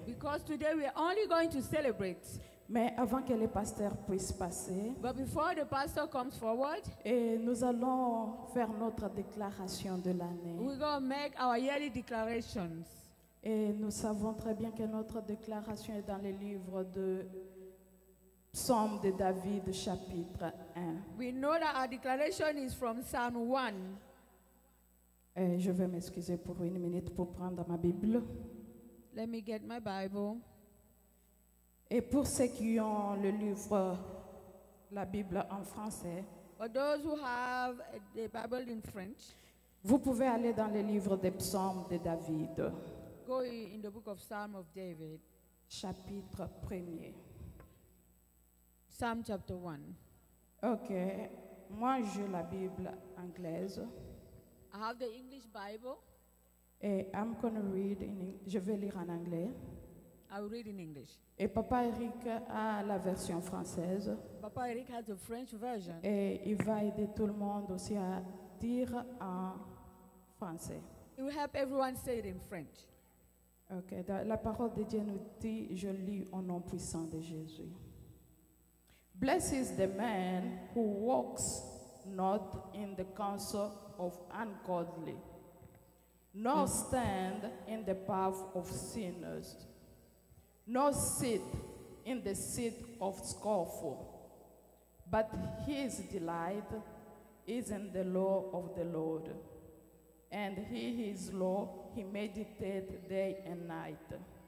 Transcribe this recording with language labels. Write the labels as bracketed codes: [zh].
[en] Because today we are only going to celebrate. [fr] Mais avant que le pasteur puisse passer, [en] but before the pastor comes forward, [fr] et nous allons faire notre déclaration de l'année. [en] We're going to make our yearly declarations. [fr] Et nous savons très bien que notre déclaration est dans le livre de Psaume de David, chapitre 1. [en] We know that our declaration is from Psalm 1. [fr] Et je vais m'excuser pour une minute pour prendre ma Bible. [en] Let me get my Bible. [fr] Et pour ceux qui ont le livre, la Bible en français, [en] for those who have the Bible in French, [fr] vous pouvez aller dans le livre des Psaumes de David. [en] Go in the book of Psalm of David. [fr] Chapitre 1er. [en] Psalm chapter 1. [fr] Ok. Moi, j'ai la Bible anglaise. [en] I have the English Bible. Et I'm going to read in English. [fr] Je vais lire en anglais. [en] I will read in English. [fr] Et Papa Eric a la version française. [en] Papa Eric has the French version. [fr] Et il va aider tout le monde aussi à dire en français. [en] He will help everyone say it in French. Ok. [fr] La parole de Dieu nous dit, je lis au nom puissant de Jésus. [en] Blessed is the man who walks not in the counsel of ungodly, nor stand in the path of sinners, nor sit in the seat of scornful, but his delight is in the law of the Lord, and in his law he meditates day and night.